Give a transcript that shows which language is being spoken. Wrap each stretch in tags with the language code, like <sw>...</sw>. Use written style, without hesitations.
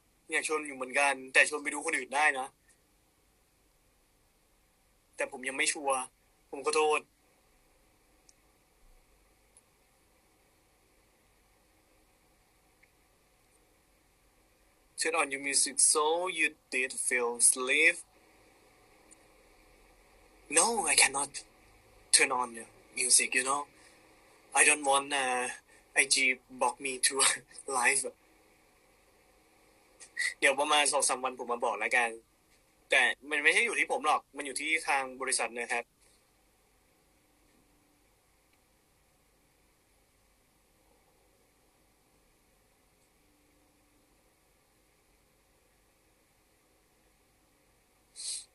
<th>อยากชวนอยู่เหมือนกันแต่ชวนไปดูคนอื่นได้นะแต่ผมยังไม่ชัวร์ผมขอโทษ</th> <en>Turn on your music so you did feel sleep. No, I cannot turn on the music, you know. I don't want IG block me to live.</en> <th>เดี๋ยวประมาณ 2-3 วันผมมาบอกแล้วกันแต่มันไม่ใช่อยู่ที่ผมหรอกมันอยู่ที่ทางบริษัทนะครับ</th> <en>What is your next project?</en>